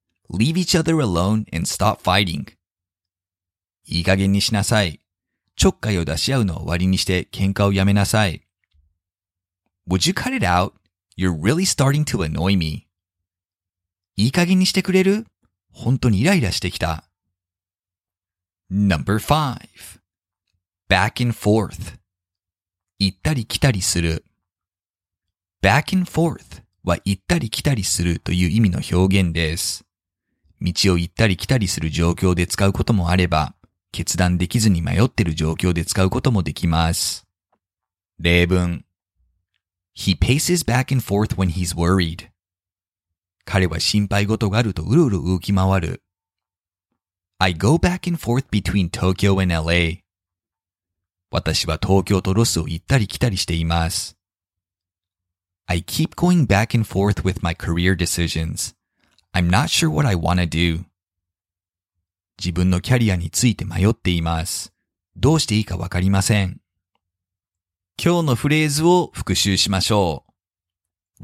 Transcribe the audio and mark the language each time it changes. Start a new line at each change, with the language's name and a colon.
English: Leave each other alone and stop fighting.
Japanese: いい加減にしなさい。ちょっかいを出し合うのを終わりにして喧嘩をやめなさい。
English: Would you cut it out? You're really starting to annoy me.
Japanese: いい加減にしてくれる?本当にイライラしてきた。
English: Number five. Back and forth.
Japanese: 行ったり来たりする。
English: Back and forth
Japanese: は行ったり来たりするという意味の表現です。道を行ったり来たりする状況で使うこともあれば、決断できずに迷ってる状況で使うこともできます。例文。
English: He paces back and forth when he's worried.
Japanese: 彼は心配事があるとうるうる動き回る。
English: I go back and forth between Tokyo and LA.
Japanese: 私は東京とロスを行ったり来たりしています。
English: I keep going back and forth with my career decisions. I'm not sure what I want to do.
Japanese: 自分のキャリアについて迷っています。どうしていいかわかりません。今日のフレーズを復習しましょう。